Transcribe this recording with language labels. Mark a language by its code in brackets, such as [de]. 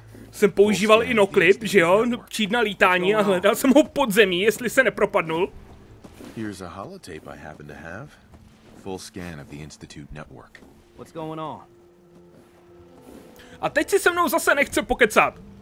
[cs] Jsem používal i noclip, že jo, čít na lítání a hledal jsem ho pod zemí, jestli se nepropadnul. [en] Here's a holotape I happen to have. Full scan of the Institute network. What's going on? [cs] A teď si se mnou zase nechce pokecat.